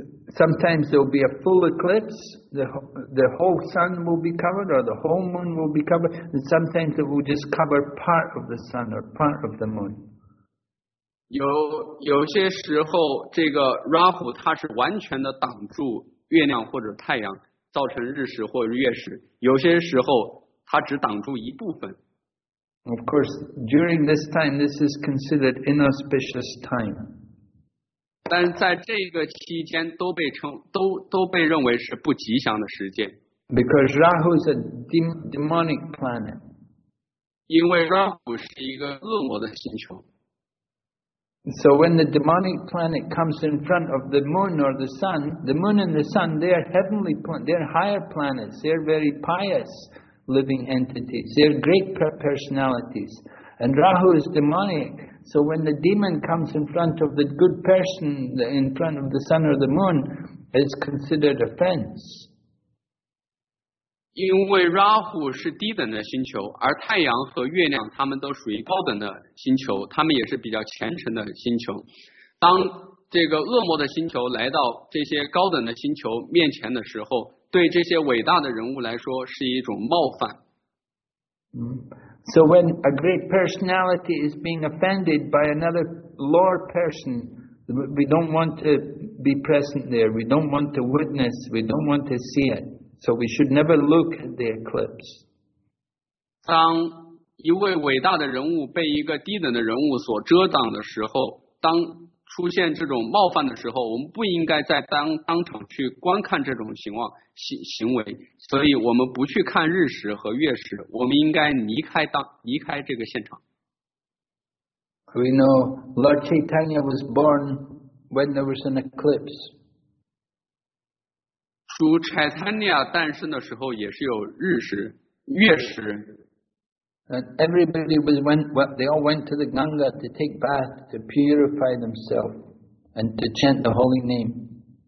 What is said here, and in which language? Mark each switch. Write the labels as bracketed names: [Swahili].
[English] Sometimes there will be a full eclipse, the whole sun will be covered, or the whole moon will be covered, and sometimes it will just cover part of the sun or part of the moon. [Chinese] 有些时候，这个 Rahu 它是完全的挡住月亮或者太阳，造成日食或者月食。有些时候，它只挡住一部分。 [English] Of course, during this time, this is considered inauspicious time. [Chinese] 但在这个期间都被称都被认为是不吉祥的时间。 [English] Because Rahu is a demonic planet. [Chinese] 因为 Rahu 是一个恶魔的星球。 [English] So when the demonic planet comes in front of the moon or the sun, the moon and the sun, they are heavenly planets, they are higher planets, they are very pious living entities, they are great personalities. And Rahu is demonic. So when the demon comes in front of the good person, in front of the sun or the moon, it's considered offense. [Chinese] 因为 Rahu 是低等的星球，而太阳和月亮他们都属于高等的星球，他们也是比较虔诚的星球。当这个恶魔的星球来到这些高等的星球面前的时候，对这些伟大的人物来说是一种冒犯。 [English] So when a great personality is being offended by another lower person, we don't want to be present there. We don't want to witness. We don't want to see it. So we should never look at the eclipse. [Chinese] 当一位伟大的人物被一个低等的人物所遮挡的时候，当出现这种冒犯的时候，我们不应该在当场去观看这种行为，所以我们不去看日食和月食，我们应该离开这个现场。 [English] We know Lord Chaitanya was born when there was an eclipse. [Chinese] 主 Chaitanya 诞生的时候也是有日食、月食。 [English] And everybody was they all went to the Ganga to take bath, to purify themselves, and to chant the holy name.